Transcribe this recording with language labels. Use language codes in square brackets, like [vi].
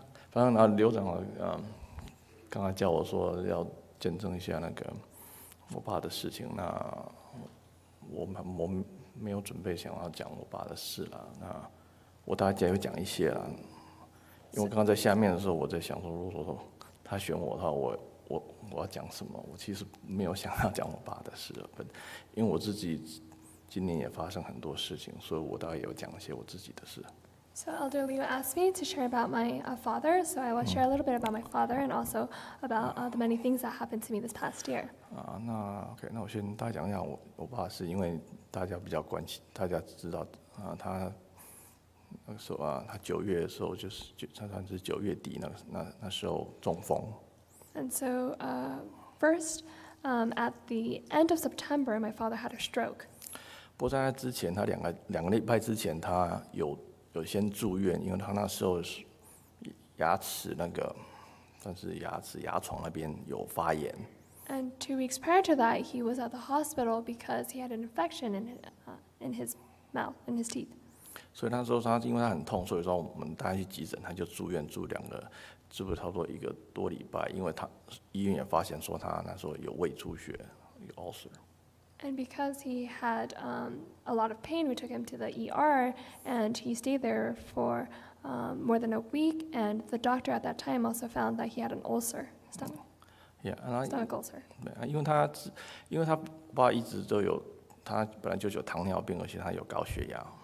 [zh] 反正刘长老刚才叫我说要见证一下那个我爸的事情，那我没有准备想要讲我爸的事了，那我大概会讲一些啦，因为刚刚在下面的时候我在想说，如果说他选我的话，我要讲什么，我其实没有想要讲我爸的事了，因为我自己今年也发生很多事情，所以我大概也有讲一些我自己的事。 [en] So Elder Liu asked me to share about my father, so I will share a little bit about my father and also about the many things that happened to me this past year. [zh] 那我先大概讲一下我爸是，因为大家比较关心，大家知道他那个时候他九月的时候就是九月底那时候中风。 [en] And so first, at the end of September, my father had a stroke. [zh] 不过在那之前，他两个礼拜之前，他有先住院，因为他那时候牙齿那个，算是牙齿牙床那边有发炎。 [en] And 2 weeks prior to that, he was at the hospital because he had an infection in his mouth, in his teeth. [zh] 所以那时候他因为他很痛，所以说我们带他去急诊，他就住院住两个，住了差不多一个多礼拜，因为他医院也发现说他那时候有胃出血，有 ulcer。 [en] And because he had a lot of pain, we took him to the ER, and he stayed there for more than a week. And the doctor at that time also found that he had an ulcer, stomach ulcer.